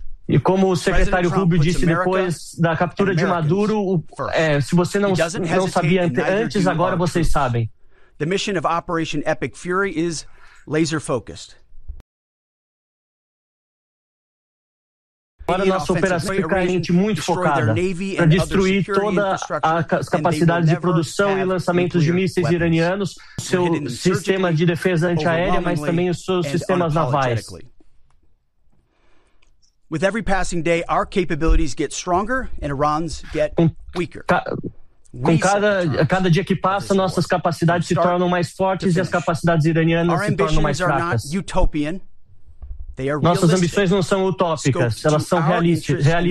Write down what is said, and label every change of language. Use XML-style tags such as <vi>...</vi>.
<pt>E como o secretário Rubio disse depois da captura de Maduro, se você não sabia antes, agora vocês sabem.</pt> <en>The mission of Operation Epic Fury is laser focused.</en> <pt>Agora nossa operação fica muito focada para destruir toda as capacidades de produção e lançamentos de mísseis iranianos, seu sistema de defesa antiaérea, mas também os seus sistemas navais.</pt> <en>With every passing day, our capabilities get stronger and Iran's get weaker.</en> <pt>Com cada dia que passa, nossas capacidades se tornam mais fortes e as capacidades iranianas se tornam mais fracas. Nossas ambições não são utópicas, elas são realistas.</pt>